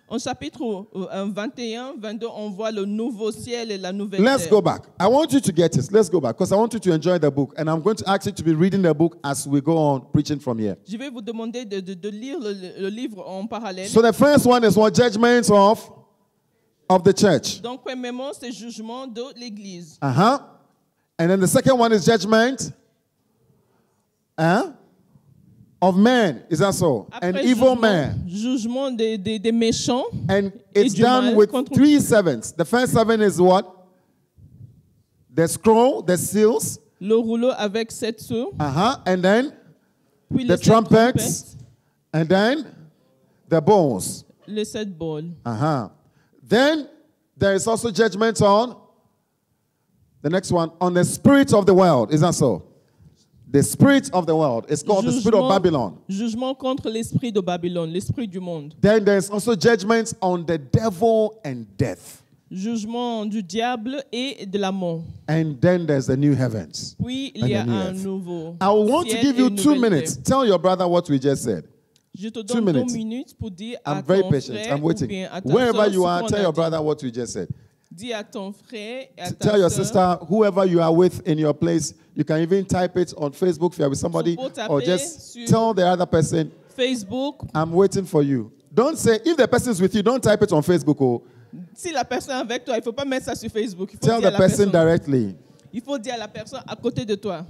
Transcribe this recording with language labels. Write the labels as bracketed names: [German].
[French] En chapitre 21, 22, on voit le nouveau ciel et la nouvelle terre. [English] Let's go back. I want you to get this. Let's go back. Because I want you to enjoy the book. And I'm going to ask you to be reading the book as we go on preaching from here. [French] Je vais vous demander de lire le livre en parallèle. [English] So the first one is what judgments of the church. [French] Donc, premièrement, c'est jugement de l'église. Uh-huh. [English] And then the second one is judgment of man, is that so? [French] Après, [English] an evil [French] jugement, [English] man. [French] Jugement des méchants. [English] And it's done with three sevens. The first seven is what? The scroll, the seals. [French] Le rouleau avec sept sceaux. [English] Uh-huh. And then [French] puis [English] the trumpets. And then the bowls. [French] Les sept bowls. Uh-huh. [English] Then there is also judgment on the next one, on the spirit of the world. Is that so? The spirit of the world. It's called [French] jugement, [English] the spirit of Babylon. [French] Jugement contre l'esprit de Babylone, l'esprit du monde. [English] Then there's also judgment on the devil and death. [French] Jugement du diable et de la mort. [English] And then there's the new heavens. [French] Puis il y a un nouveau. [English] I want to give you 2 minutes. [French] Terre. [English] Tell your brother what we just said. [French] Je te donne 2 minutes. 2 minutes pour dire [English] I'm very patient. I'm waiting. Wherever you are, tell your brother what we just said. [French] Dis à ton frère et à ta [English] tell your sister, whoever you are with in your place, you can even type it on Facebook if you are with somebody, or just tell the other person, Facebook. I'm waiting for you. Don't say, if the person is with you, don't type it on Facebook. Oh. [French] Si la personne est avec toi, il ne faut pas mettre ça sur Facebook. Il faut [English] tell [French] dire [English] the person directly. [French] Il faut dire à la personne à côté de toi.